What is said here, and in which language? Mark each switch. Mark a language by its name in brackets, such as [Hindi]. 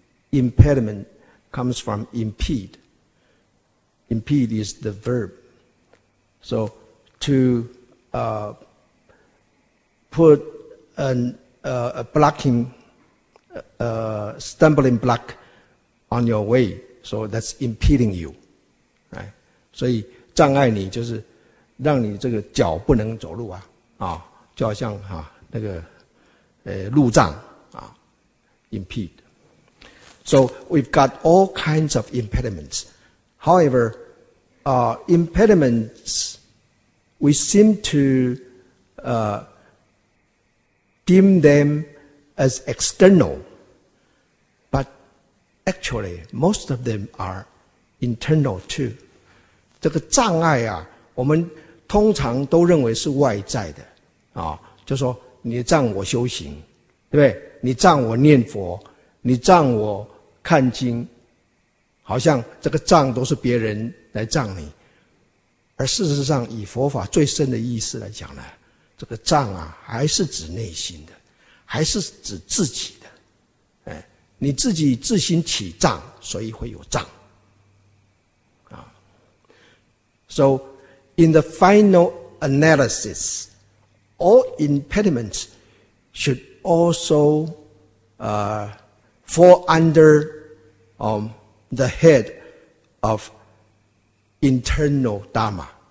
[English] Impediment comes from impede. Impede is the verb. So. To put a blocking, stumbling block on your way, so that's impeding you, right? [Chinese] 所以障碍你就是让你这个脚不能走路啊，啊，就好像啊那个路障啊 ，impede. [English] So we've got all kinds of impediments. However, impediments. We seem to deem them as external, but actually, most of them are internal too. [Chinese] 这个障碍啊，我们通常都认为是外在的啊，就说你障我修行，对不对？你障我念佛，你障我看经，好像这个障都是别人来障你。而事实上以佛法最深的意思来讲呢，这个障啊还是指内心的，还是指自己的，你自己自心起障，所以会有障。 [English] So, in the final analysis, all impediments should also fall under the head of internal Dharma.